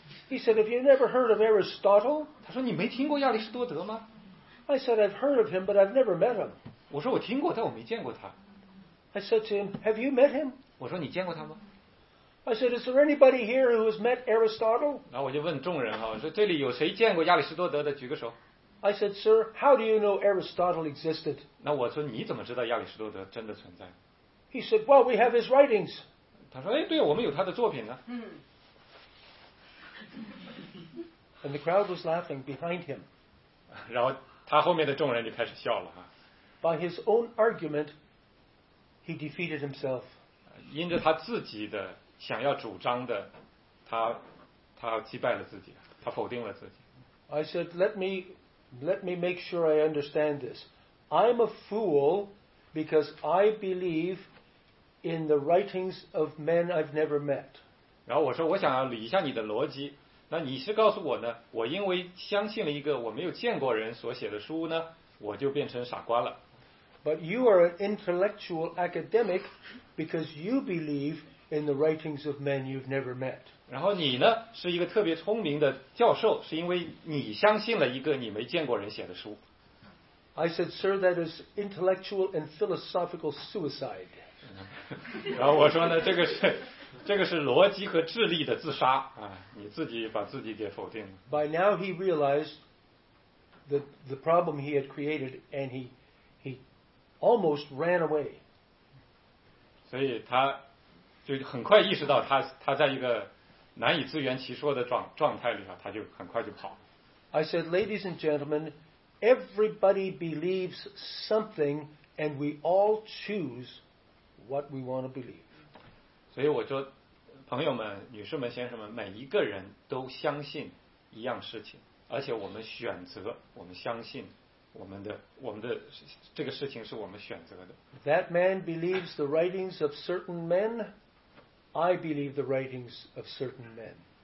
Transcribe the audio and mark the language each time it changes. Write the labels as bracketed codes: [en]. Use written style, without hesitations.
[en] He said, "Have you never heard of Aristotle?" [zh] 他说你没听过亚里士多德吗？ [en] I said, "I've heard of him, but I've never met him." [zh] 我说我听过，但我没见过他。 [en] I said to him, "Have you met him?" [zh] 我说你见过他吗 [en] ？I said, "Is there anybody here who has met Aristotle?" [zh] 然后我就问众人哈，我说这里有谁见过亚里士多德的，举个手。 [en] I said, "Sir, how do you know Aristotle existed?" [zh] 那我说你怎么知道亚里士多德真的存在 [en] ？He said, "Well, we have his writings." [zh] 他说哎，对，我们有他的作品呢。 [en] And the crowd was laughing behind him. [zh] 然后。他后面的众人就开始笑了哈。 [en] By his own argument, he defeated himself. [zh] 因着他自己的想要主张的，他击败了自己，他否定了自己。 [en] I said, let me make sure I understand this. I'm a fool because I believe in the writings of men I've never met. [zh] 然后我说，我想要理一下你的逻辑。那你是告诉我呢？我因为相信了一个我没有见过人所写的书呢，我就变成傻瓜了。 [en] But you are an intellectual academic because you believe in the writings of men you've never met. [zh] 然后你呢，是一个特别聪明的教授，是因为你相信了一个你没见过人写的书。 [en] I said, "Sir, that is intellectual and philosophical suicide." [zh] 然后我说呢，这个是逻辑和智力的自杀啊！你自己把自己给否定了。 [en] By now he realized the problem he had created, and he almost ran away. [zh] 所以他就很快意识到他在一个难以自圆其说的状态里啊，他就很快就跑。 [en] I said, "Ladies and gentlemen, everybody believes something, and we all choose what we want to believe." [zh] 所以我说，朋友们、女士们、先生们，每一个人都相信一样事情，而且我们选择，我们相信我们的这个事情是我们选择的。 [en] That man believes the writings of certain men. I believe the writings of certain men.